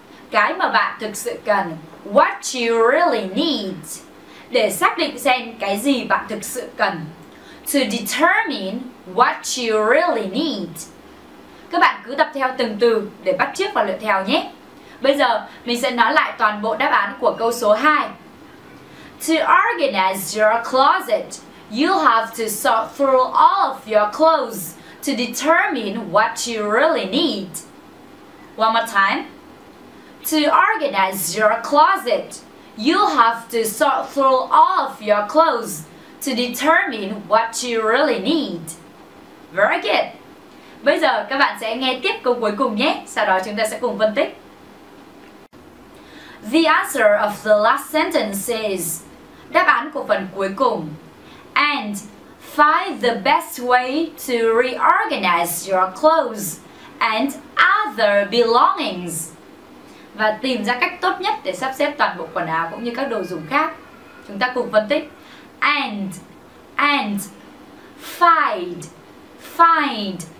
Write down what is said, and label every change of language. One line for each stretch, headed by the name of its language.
Vietnamese: Cái mà bạn thực sự cần.
English: What you really need?
Vietnamese: Để xác định xem cái gì bạn thực sự cần.
English: To determine what you really need.
Vietnamese: Các bạn cứ tập theo từng từ để bắt chước và luyện theo nhé. Bây giờ mình sẽ nói lại toàn bộ đáp án của câu số 2.
English: To organize your closet, you have to sort through all of your clothes to determine what you really need. One more time. To organize your closet, you have to sort through all of your clothes to determine what you really need. Very good.
Vietnamese: Bây giờ các bạn sẽ nghe tiếp câu cuối cùng nhé. Sau đó chúng ta sẽ cùng phân tích.
English: The answer of the last sentence is
Vietnamese: đáp án của phần cuối cùng.
English: And find the best way to reorganize your clothes and other belongings.
Vietnamese: Và tìm ra cách tốt nhất để sắp xếp toàn bộ quần áo cũng như các đồ dùng khác. Chúng ta cùng phân tích.
English: And find, find.